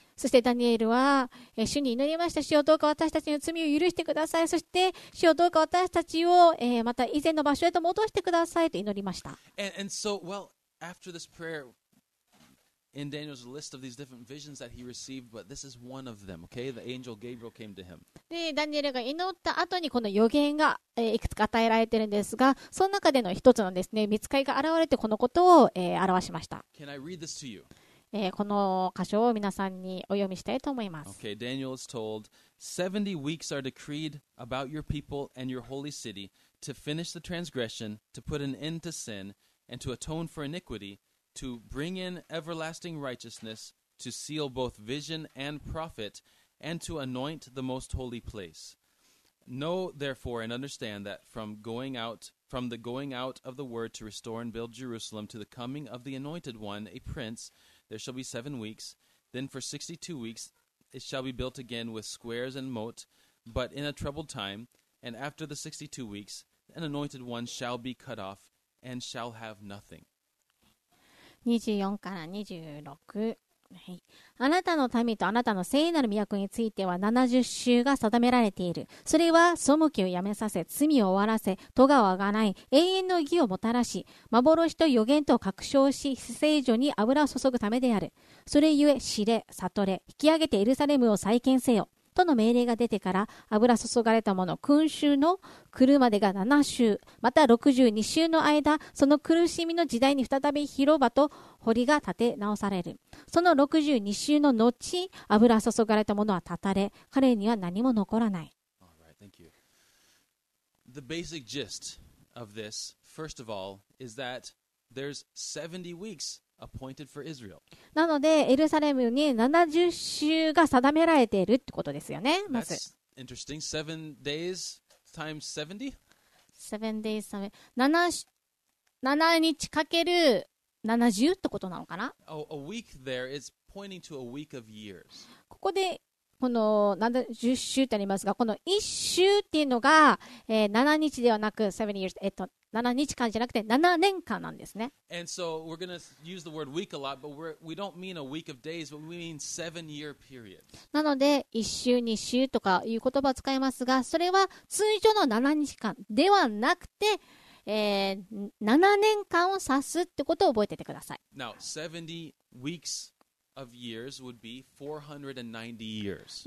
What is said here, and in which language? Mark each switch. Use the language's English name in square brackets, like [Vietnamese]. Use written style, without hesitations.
[Japanese] そしてダニエルは主に祈りました。主よ、どうか私たちの罪を許してください。そして主よ、どうか私たちを、また以前の場所へと戻してくださいと祈りました。 [English] After this prayer, in Daniel's list of these different visions that he received, but this is one of them, okay? The angel Gabriel came to him. [Japanese] で、ダニエルが祈った後にこの予言が、いくつか与えられているんですが、その中での一つのですね、御使いが現れてこのことを、表しました。 [English] Can I read this to you? [Japanese] この箇所を皆さんにお読みしたいと思います。 [English] Okay, Daniel is told, 70 weeks are decreed about your people and your holy city to finish the transgression, to put an end to sin, and to atone for iniquity, to bring in everlasting righteousness, to seal both vision and prophet, and to anoint the most holy place. Know, therefore, and understand that from the going out of the word to restore and build Jerusalem to the coming of the anointed one, a prince,There shall be 7 weeks. Then for 62 weeks, it shall be built again with squares and moat, but in a troubled time. And after the 62 weeks, an anointed one shall be cut off and shall have nothing. [Japanese] 24から26、はい、あなたの民とあなたの聖なる都については70週が定められている。それは背きをやめさせ、罪を終わらせ、咎をあがない、永遠の義をもたらし、幻と予言と確証し、至聖所に油を注ぐためである。それゆえ、知れ、悟れ、引き上げてエルサレムを再建せよ。との命令が出てから油注がれた者君主の来るまでが7週また62週の間その苦しみの時代に再び広場と堀が建て直される。その62週の後油注がれた者は絶たれ彼には何も残らない。 [English] All right, thank you. The basic gist of this first of all is that there's 70 weeksAppointed for Israel. [Japanese] なのでエルサレムに70週が定められているってことですよね。まず。 [English] That's interesting. 7 days times [Japanese] 70? 7日かける70ってことなのかな。 [English] A week there is pointing to a week of years. [Japanese] ここでこの70週ってありますが、この1週っていうのが、7日ではなく [English] 70 years、 [Japanese] 7日間じゃなくて7年間なんですね。 [English] And so we're going to use the word week a lot, but we don't mean a week of days, but we mean 7-year period. [Japanese] なので1週2週とかいう言葉を使いますが、それは通常の7日間ではなくて、7年間を指すってことを覚えててください。 [English] Now, 70 weeks of years would be 490 years.